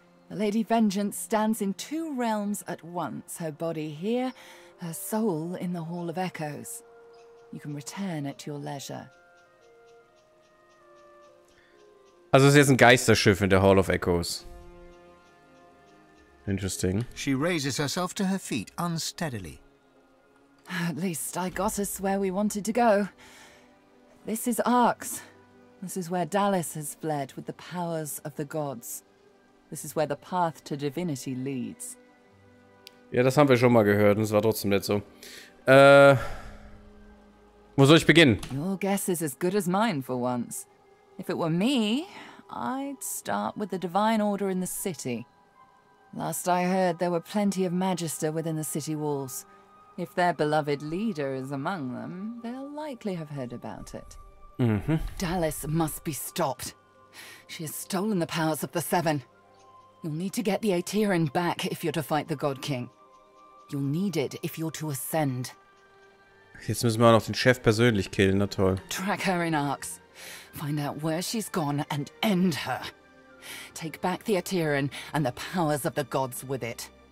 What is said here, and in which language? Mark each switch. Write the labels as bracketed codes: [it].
[en] The Lady Vengeance stands in two realms at once, her body here, her soul in the Hall of Echoes. You can return at your leisure. [de] Also es ist jetzt ein Geisterschiff in der Hall of Echoes. [en] Interesting. She raises herself to her feet unsteadily. At least I got us where we wanted to go. This is Arx. This is where Dallas has fled with the powers of the gods. This is where the path to divinity leads. [de] Ja, das haben wir schon mal gehört und es war trotzdem nicht so. Wo soll ich beginnen? [en] Your guess is as good as mine for once. If it were me, I'd start with the Divine Order in the city. Last I heard, there were plenty of Magister within the city walls. If their beloved leader is among them, they'll likely have heard about it. Mm-hmm. Dallas must be stopped. She has stolen the powers of the Seven. You'll need to get the Aetherian back if you're to fight the God King. You'll need it if you're to ascend. [de] Jetzt müssen wir auch noch den Chef persönlich killen, na toll. [en] Track her in Arx. Find out where she's gone and end her. Take back the Aetherian and the powers of the gods with it.